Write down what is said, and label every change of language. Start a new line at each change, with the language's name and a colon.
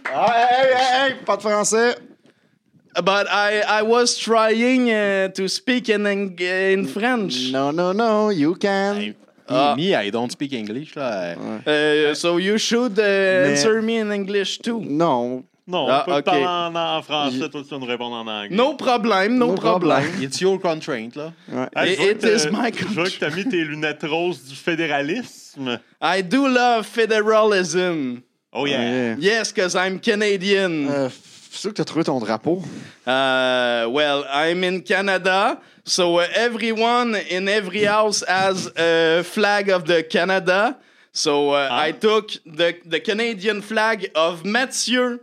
French: Hey, pas de français.
English: But I was trying to speak in French. No, you can. Me, I don't speak English. So you should answer me in English too.
French: Non, okay. Parler en français, toi, tu vas nous répondre en anglais.
English: No problem. It's your constraint,
French: là.
English: Ouais. It is my constraint.
French: Je vois que t'as mis tes lunettes roses du fédéralisme.
English: I do love federalism. Oh, yeah. Yes, because I'm Canadian.
French: C'est sûr que tu as trouvé ton drapeau.
English: Well, I'm in Canada, so everyone in every house has a flag of the Canada. So I took the Canadian flag of Mathieu.